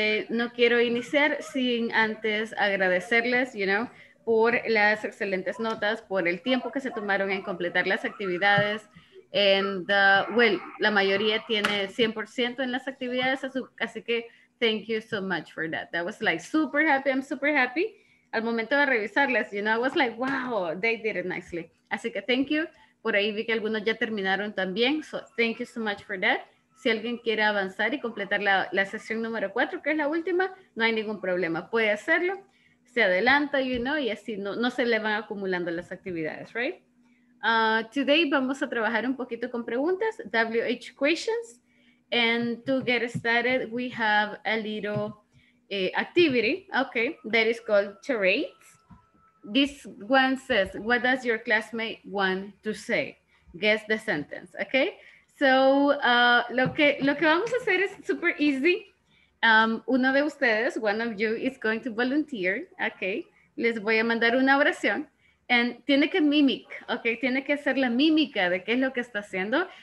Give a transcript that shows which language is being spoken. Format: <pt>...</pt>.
<es>No quiero iniciar sin antes agradecerles,</es> <en>you know,</en> <es>por las excelentes notas, por el tiempo que se tomaron en completar las actividades.</es> <en>And, well,</en> <es>la mayoría tiene 100% en las actividades, así que</es> <en>thank you so much for that. That was like super happy, I'm super happy.</en> <es>Al momento de revisarlas,</es> <en>you know, I was like, wow, they did it nicely.</en> <es>Así que</es> <en>thank you.</en> <es>Por ahí vi que algunos ya terminaron también.</es> <en>So thank you so much for that.</en> <es>Si alguien quiere avanzar y completar la sesión número 4, que es la última, no hay ningún problema. Puede hacerlo. Se adelanta,</es> <en>you know,</en> <es>y así no se le van acumulando las actividades, right? Today vamos a trabajar un poquito con preguntas, WH questions.</es> <en>And to get started, we have a little activity, okay, that is called charade. This one says, what does your classmate want to say? Guess the sentence, okay?</en> <es>So, lo que vamos a hacer es</es> <en>super easy.</en> <es>Uno de ustedes,</es> <en>one of you, is going to volunteer, okay?</en> <es>Les voy a mandar una oración. And tiene que mimic, okay? Tiene que hacer la mímica de qué es lo que está haciendo.</es>